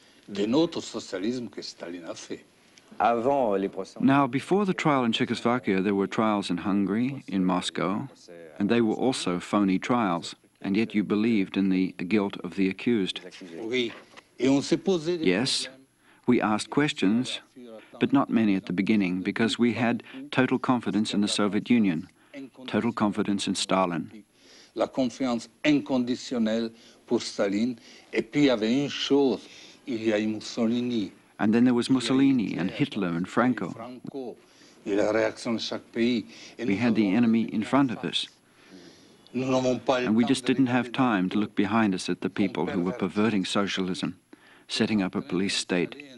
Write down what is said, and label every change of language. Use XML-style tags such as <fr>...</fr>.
<en>Now, before the trial in Czechoslovakia, there were trials in Hungary, in Moscow, and they were also phony trials, and yet you believed in the guilt of the accused. Yes, we asked questions, but not many at the beginning, because we had total confidence in the Soviet Union, total confidence in Stalin.</en> <fr>La confiance inconditionnelle pour Staline. Et puis il y avait une chose, il y a Mussolini.</fr> <en>And then there was Mussolini and Hitler and Franco.</en> <fr>Et la réaction de chaque pays.</fr> <en>We had the enemy in front of us. And we just didn't have time to look behind us at the people who were perverting socialism, setting up a police state.</en>